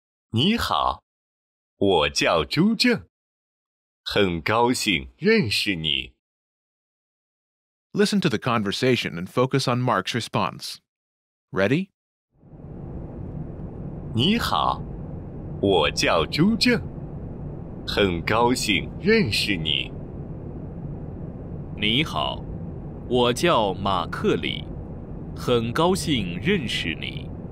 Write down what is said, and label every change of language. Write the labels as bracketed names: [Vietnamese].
[Chinese] 你好，我叫朱正，很高兴认识你。 [English] Listen to the conversation and focus on Mark's response. Ready? [Chinese] 你好，我叫朱正，很高兴认识你。你好，我叫马克里，很高兴认识你。